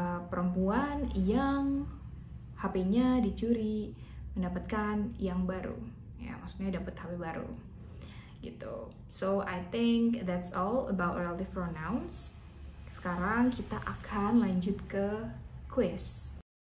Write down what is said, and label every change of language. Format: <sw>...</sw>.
<id>Perempuan yang HP-nya dicuri mendapatkan yang baru. Ya maksudnya dapat HP baru. Gitu.</id> <en>So I think that's all about relative pronouns.</en> <id>Sekarang kita akan lanjut ke quiz.</id>